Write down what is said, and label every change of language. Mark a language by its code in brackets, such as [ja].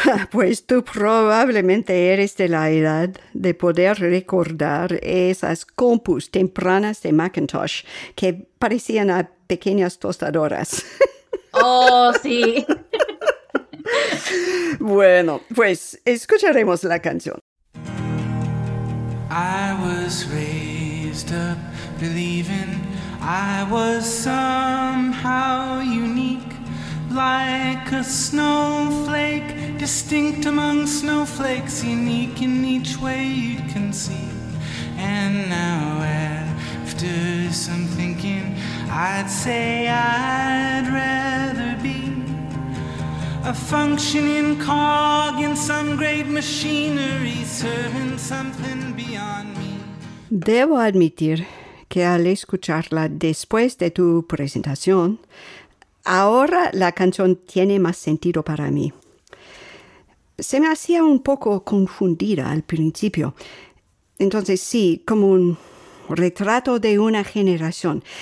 [es] Pues tú probablemente eres de la edad de poder recordar esas compus tempranas de Macintosh que parecían a pequeñas tostadoras. Oh, sí. Bueno, pues escucharemos la canción. [en] I was raised up believing I was somehow unique, like a snowflake, distinct among snowflakes, unique in each way you'd conceive. And now, after some thinking, I'd say I'd rather be a functioning cog in some great machinery, serving something beyond me. [es] Debo admitir que al escucharla después de tu presentación, ahora la canción tiene más sentido para mí. Se me hacía un poco confundida al principio. Entonces, sí, como un retrato de una generación.